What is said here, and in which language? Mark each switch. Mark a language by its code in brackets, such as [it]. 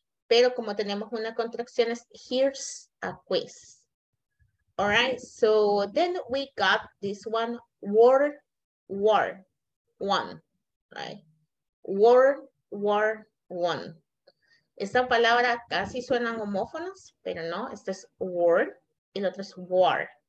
[es] Pero como tenemos una contracción, es [en] here's a quiz. All right, so then we got this one, war one, right? War one. [es] Esta palabra casi suenan homófonos, pero no, este es war, y el otro es war.